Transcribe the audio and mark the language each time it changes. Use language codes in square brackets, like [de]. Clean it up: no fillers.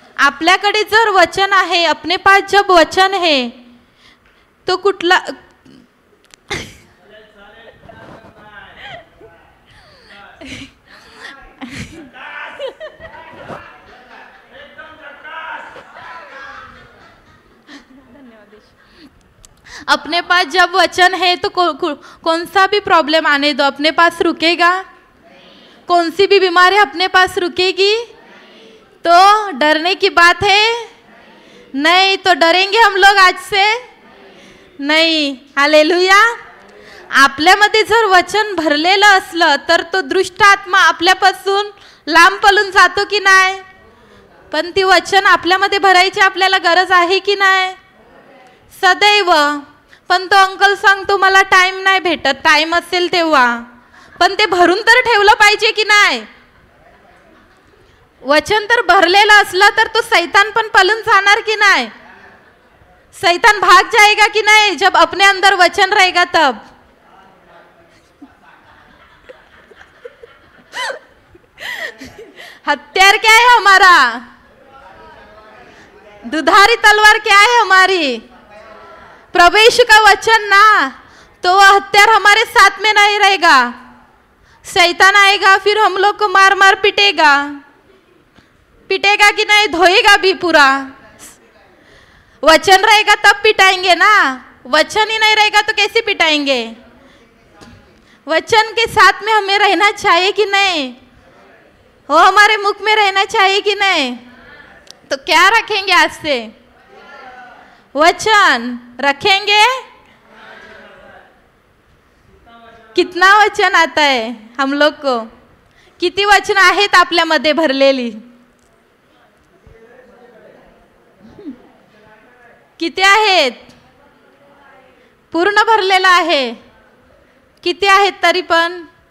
[mr] आपल्याकडे जर वचन आहे, [hi] अपने पास जब वचन आहे, तो कुठला अपने पास जब वचन है तो कौन सा भी प्रॉब्लम आने दो, अपने पास रुकेगा? कौन सी भी बीमारी अपने पास रुकेगी? तो डरने की बात है नहीं? तो डरेंगे हम लोग आज से नहीं? हालेलुया. [mr] आपल्यामध्ये जर वचन भरलेलं असलं तर तो दुष्ट आत्मा आपल्यापासून लांब पळून जातो की नाही? पण ती वचन आपल्यामध्ये भरायची आपल्याला गरज आहे की नाही? सदैव. पण तो अंकल सांगतो मला टाइम नाही भेटत. टाइम असेल तेव्हा. पण ते भरून तर ठेवलं पाहिजे की नाही? वचन तर भरलेलं असलं तर तो सैतान पण पळून जाणार की नाही? [hi] सैतान भाग जाएगा [mr] की नाही [hi] जब अपने अंदर वचन रहेगा तब? हत्यार क्या है हमारा? दुधारी तलवार क्या है हमारी? प्रभु यीशु का वचन ना, तो वह हत्यार हमारे साथ में नहीं रहेगा. सैतान आएगा फिर हम लोग को मार मार पिटेगा. पिटेगा कि नहीं? धोएगा भी पूरा. वचन रहेगा तब पिटाएंगे ना. वचन ही नहीं रहेगा तो कैसे पिटाएंगे? वचन के साथ में हमें रहना चाहिए कि नहीं? वो हमारे मुख में रहना चाहिए कि नहीं? तो क्या रखेंगे आज से? वचन रखेंगे। कितना वचन आता है हम लोग को? [mr] किती वचन आहेत आपल्या मध्ये भरलेली? किती आहेत? पूर्ण भरलेला आहे? किती आहेत तरी पण?